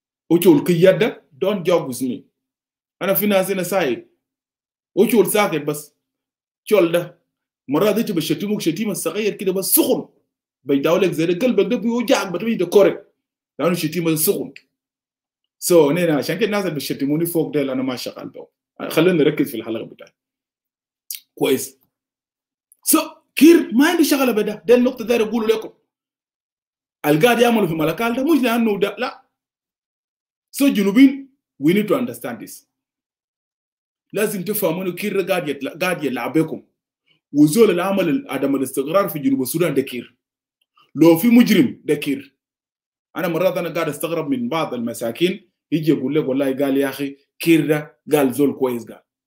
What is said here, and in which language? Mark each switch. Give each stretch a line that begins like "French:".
Arabic: اوتول كيادة
English: don't joke with me
Arabic: انا في ناس هنا ساي اوتول ساكت بس تول ده مره ديت بشتمك شتيمه صغير كده بس سخن بيداولك زي قلبك ده بيوجعك بتبي ده كورك لانه شتيمه سخن سو انا عشان كده نازل بالشتيموني فوق ده لانه ما شغال ده خلينا نركز في الحلقه بتاعتي كويس سو كير ما عندي شغله بدا ده النقطه ده اقول لكم القاد يعمل في ملكال ده مش لانه ده لا
English: So جنوبين, we need to understand this.
Arabic: لازم تفهمون كير قاعد يلعبكم. وزول العمل عدم الاستقرار في جنوب السودان دكير. لو في مجرم دكير. أنا مرات أنا قاعد استغرب من بعض المساكين يجي يقول لك والله قال يا أخي كير قال زول كويس قال.